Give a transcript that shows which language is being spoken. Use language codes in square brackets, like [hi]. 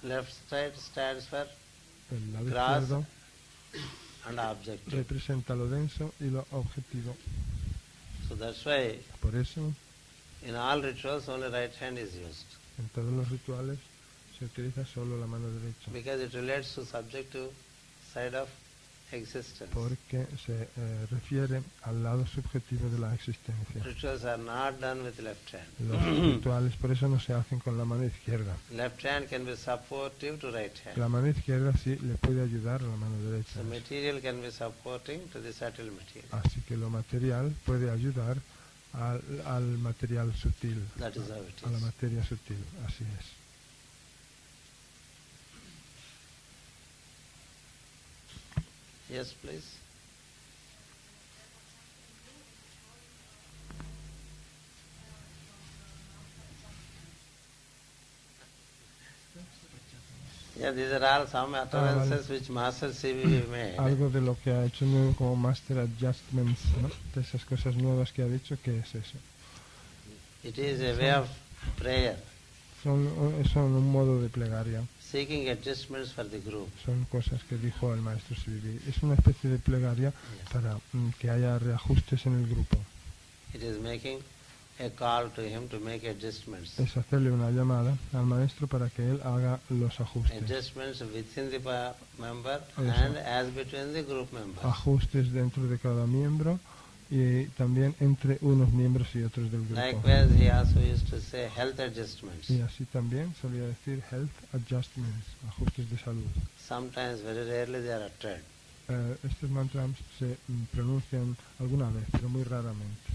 [en] Left side stands for [es] el lado izquierdo [en] and objective. [es] Representa lo denso y lo objetivo. [en] So that's why, [es] por eso, [en] in all rituals, only right hand is used. [es] En todos los rituales se utiliza solo la mano derecha. [en] Because it relates to subjective side of existence. [es] Porque se refiere al lado subjetivo de la existencia. [en] Rituals are not done with left hand. [es] Los rituales por eso no se hacen con la mano izquierda. [en] Left hand can be supportive to right hand. [es] La mano izquierda sí le puede ayudar a la mano derecha. [en] The material can be supporting to the subtle material. [es] Así que lo material puede ayudar al material sutil. [en] That is how it is. [es] A la materia sutil, así es. [en] Yes, please. Yeah, these are all some utterances which Master CV made. [es] Algo de lo que ha hecho nuevo como Master Adjustments, ¿no? De esas cosas nuevas que ha dicho, ¿qué es eso? [en] It is a way of prayer. [es] Son un modo de plegaria. [en] Seeking adjustments for the group. [es] Son cosas que dijo el maestro Sri. Es una especie de plegaria, yes, para que haya reajustes en el grupo. [en] It is making a call to him to make adjustments. [es] Es hacerle una llamada al maestro para que él haga los ajustes. [en] Adjustments within the member, eso, and as between the group members. [es] Ajustes dentro de cada miembro y también entre unos miembros y otros del grupo. [en] Likewise, he also used to say health adjustments. [es] Y así también solía decir [en] health adjustments, [es] ajustes de salud. [en] Sometimes, very rarely, they are uttered. [es] Estos mantras se pronuncian alguna vez, pero muy raramente.